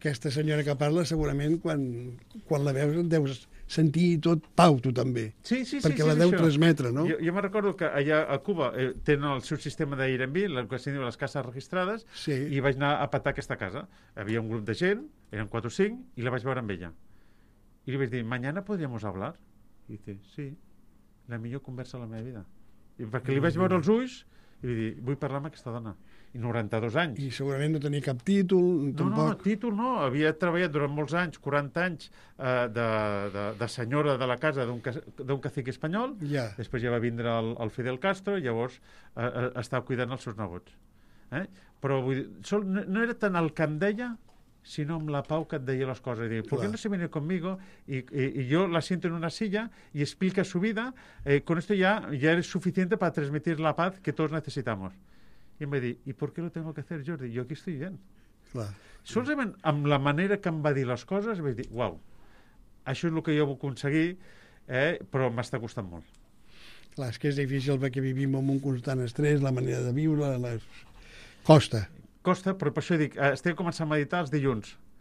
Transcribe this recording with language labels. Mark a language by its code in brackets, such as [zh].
[ca] Aquesta senyora que parla, segurament, quan la veus, deus sentir tot pau, tu també. Sí, sí, perquè sí, la deu això. Transmetre, no? Jo me recordo que allà a Cuba tenen el seu sistema d'Airbnb, el que se'n diu les cases registrades, i vaig anar a petar aquesta casa. Hi havia un grup de gent, eren 4 o 5, i la vaig veure amb ella. I li vaig dir, [es] mañana podríamos hablar? [ca] I dice, sí, la millor conversa de la meva vida. I perquè li vaig veure els ulls i li dir, vull parlar amb aquesta dona. I 92 anys. I segurament no tenia cap títol, tampoc. No, títol no. Havia treballat durant molts anys, 40 anys, de senyora de la casa d'un cacique espanyol. Yeah. Després ja va vindre el Fidel Castro, llavors estava cuidant els seus nebots. Però vull dir, no era tant el que em deia, sinó amb la pau que et deia les coses. [es] Deia, ¿por qué no se viene conmigo? [ca] I jo [es] la siento en una silla i explica su vida. Con esto ya es suficiente para transmitir la paz que todos necesitamos. [ca] I em va dir, [es] ¿y por qué lo tengo que hacer, Jordi? Jo aquí estoy bien. [ca] Solament amb la manera que em va dir les coses, vaig dir, uau, això és el que jo vull aconseguir, però m'està costant molt. Clar, és que és difícil perquè vivim amb un constant estrès, la manera de viure, costa. Costa, però per això dic, estem començant a meditar els dilluns.